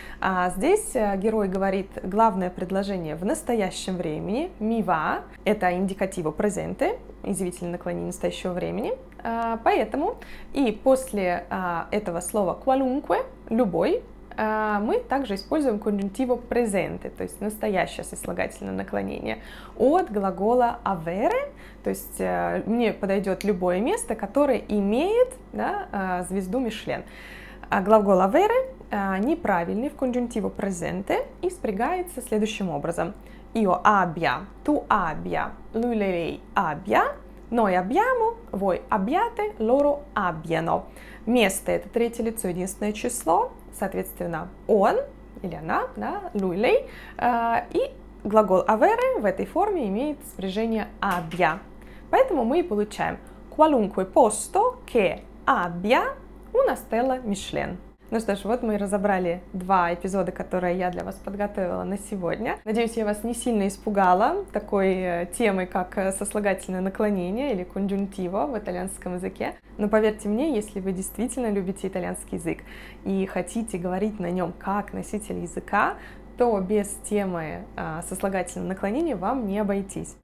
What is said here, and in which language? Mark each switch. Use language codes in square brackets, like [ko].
[ru] А здесь герой говорит главное предложение в настоящем времени, [it] mi va, [ru] это индикативо презенте, изъявительное наклонение настоящего времени, поэтому и после этого слова qualunque, любой, мы также используем congiuntivo presente, то есть настоящее сослагательное наклонение, от глагола avere, то есть мне подойдет любое место, которое имеет, да, звезду Michelin. А глагол avere неправильный в congiuntivo presente и спрягается следующим образом. [it] Io abbia, tu abbia, lui lei abbia, noi abbiamo, voi abbiate, loro abbiano. [ru] Место — это третье лицо, единственное число. Соответственно, он или она, да, lui, lei, и глагол avere в этой форме имеет спряжение abbia. Поэтому мы и получаем [it] qualunque posto che abbia una stella Michelin. [ru] Ну что ж, вот мы и разобрали два эпизода, которые я для вас подготовила на сегодня. Надеюсь, я вас не сильно испугала такой темой, как сослагательное наклонение или congiuntivo в итальянском языке. Но поверьте мне, если вы действительно любите итальянский язык и хотите говорить на нем как носитель языка, то без темы сослагательного наклонения вам не обойтись.